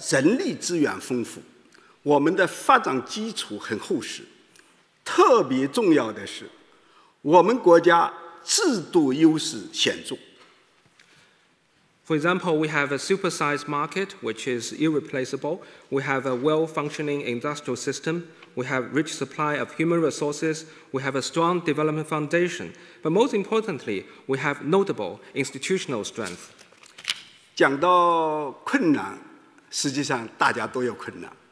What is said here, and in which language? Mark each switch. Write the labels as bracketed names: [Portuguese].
[Chinese] 比如我们的市场规模巨大，不可替代性，我们的产业体系完备，我们的人力资源丰富。我们的发展基础很厚实，特别重要的是，我们国家制度优势显著。 [English] For example, we have a supersized market, which is irreplaceable. We have a well-functioning industrial system. We have rich supply of human resources. We have a strong development foundation. But most importantly, we have notable institutional strength. [Chinese] 讲到困难，实际上大家都有困难。